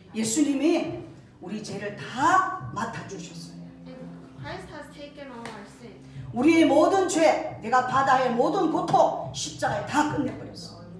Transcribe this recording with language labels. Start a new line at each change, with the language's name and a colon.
Korean: 예수님이 우리 죄를 다 맡아 주셨어요.
English: And Christ has taken all our sin.
Korean: 우리의 모든 죄, 내가 바다의 모든 고통, 십자가에 다 끝내 버렸어.